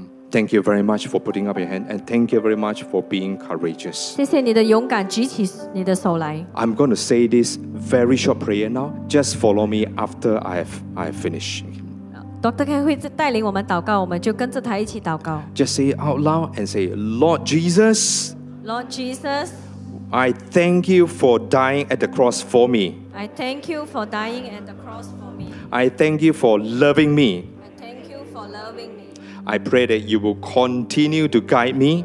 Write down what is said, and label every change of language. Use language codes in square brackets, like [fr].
[en] Thank you very much for putting up your hand, and thank you very much for being courageous. [zh] 谢谢你的勇敢举起你的手来。 [en] I'm going to say this very short prayer now. Just follow me after I have finished. Dr. [zh] Ken 会带领我们祷告，我们就跟着他一起祷告。 [en] Just say out loud and say, Lord Jesus. Lord Jesus, I thank you for dying at the cross for me. I thank you for dying at the cross for me. I thank you for loving me. I thank you for loving me. I pray that you will continue to guide me.